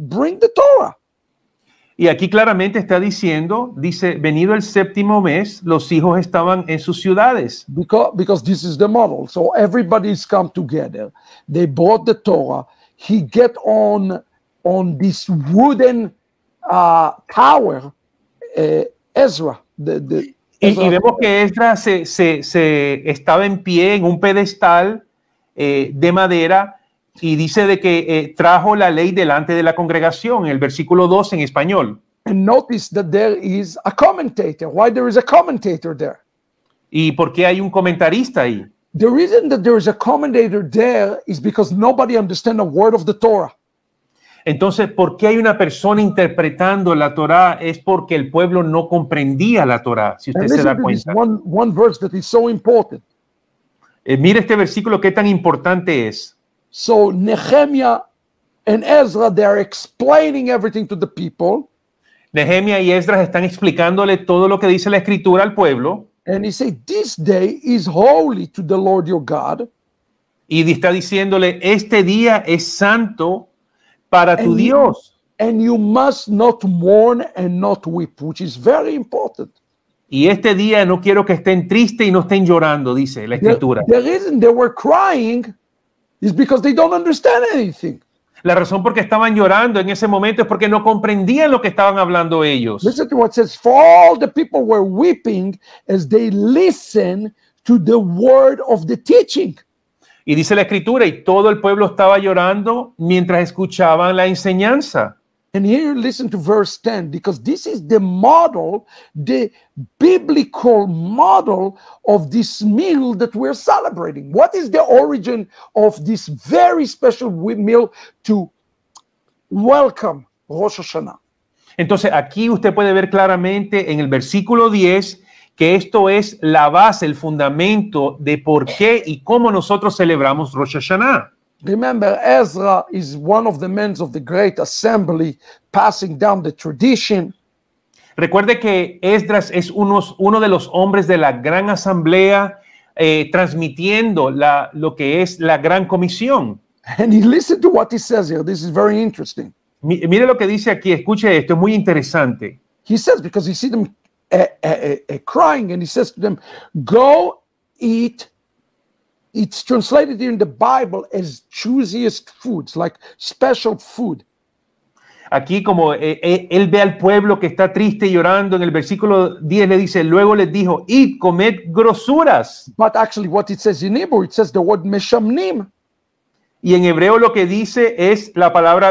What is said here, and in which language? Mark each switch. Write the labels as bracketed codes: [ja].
[en] Bring the Torah. [es] Y aquí claramente está diciendo, dice, venido el séptimo mes, los hijos estaban en sus ciudades. [en] Because this is the model. So everybody's come together. They brought the Torah. He get on this wooden tower, Ezra. [es] Y vemos que Ezra se estaba en pie en un pedestal de madera. Y dice de que trajo la ley delante de la congregación, el versículo 2 en español. [en] And notice that there is a commentator. Why there is a commentator there? [es] ¿Y por qué hay un comentarista ahí? [en] The reason that there is a commentator there is because nobody understands a word of the Torah. [es] Entonces, ¿por qué hay una persona interpretando la Torah? Es porque el pueblo no comprendía la Torah, si usted [en] and [es] se da cuenta. [en] One verse that is so important. [es] Mire este versículo, qué tan importante es. [en] So Nehemiah and Ezra, they are explaining everything to the people. [es] Nehemiah y Ezra están explicándole todo lo que dice la escritura al pueblo. [en] And he said, "This day is holy to the Lord your God." [es] Y está diciéndole, este día es santo para tu Dios. [en] And you must not mourn and not weep, which is very important. [es] Y este día no quiero que estén tristes y no estén llorando, dice la escritura. [en] The reason they were crying is because they don't understand anything. [es] La razón por qué estaban llorando en ese momento es porque no comprendían lo que estaban hablando ellos. [en] Listen to what it says. For all the people were weeping as they listened to the word of the teaching. [es] Y dice la escritura, y todo el pueblo estaba llorando mientras escuchaban la enseñanza. [en] And here, listen to verse 10, because this is the model, the biblical model of this meal that we're celebrating. What is the origin of this very special meal to welcome Rosh Hashanah? [es] Entonces, aquí usted puede ver claramente en el versículo 10 que esto es la base, el fundamento de por qué y cómo nosotros celebramos Rosh Hashanah. [en] Remember, Ezra is one of the men of the great assembly passing down the tradition. [es] Recuerde que Esdras es uno de los hombres de la gran asamblea transmitiendo lo que es la gran comisión. [en] And he listened to what he says here. This is very interesting. [es] Mire lo que dice aquí. Escuche esto. Es muy interesante. [en] He says, because he sees them crying, and he says to them, go eat. It's translated in the Bible as choosiest foods, like special food. [es] Aquí como él ve al pueblo que está triste y llorando, en el versículo 10 le dice, luego les dijo, [en] eat, [es] comed grosuras. [en] But actually what it says in Hebrew, it says the word meshamnim. [es] Y en hebreo lo que dice es la palabra